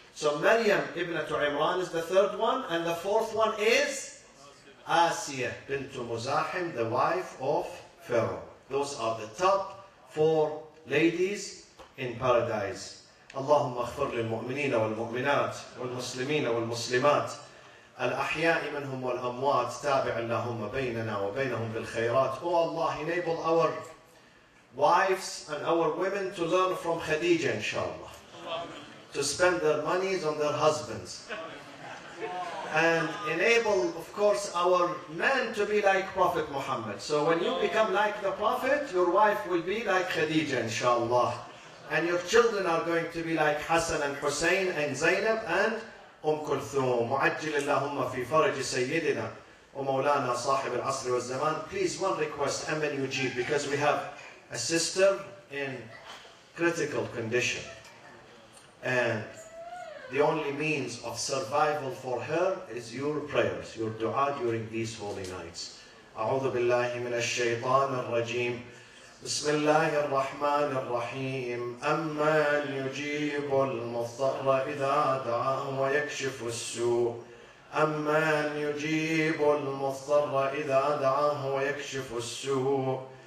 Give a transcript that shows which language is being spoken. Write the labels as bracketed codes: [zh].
[en] So Maryam ibn Imran is the 3rd one, and the 4th one is Asiya bint Muzahim, the wife of Pharaoh. Those are the top 4 ladies in paradise. [ar] Allahumma aghfir lil mu'mineen wal mu'minat wal muslimin wal muslimat. الأحياء منهم والأموات تابع لهم بيننا وبينهم بالخيرات. [en] Oh Allah, enable our wives and our women to learn from Khadija, inshallah. To spend their monies on their husbands. And enable, of course, our men to be like Prophet Muhammad. So when you become like the Prophet, your wife will be like Khadija, inshallah. And your children are going to be like Hassan and Hussein and Zainab and أم كلثوم [ar] معجل اللهم في فرج سيدنا ومولانا صاحب العصر والزمان. [en] Please, one request, [ar] أمن يجيب, [en] because we have a sister in critical condition, and the only means of survival for her is your prayers, your dua during these holy nights. [ar] أعوذ بالله من الشيطان الرجيم. بسم الله الرحمن الرحيم. أمن يجيب المضطر إذا دعاه ويكشف السوء. أمن يجيب المضطر إذا دعاه ويكشف السوء.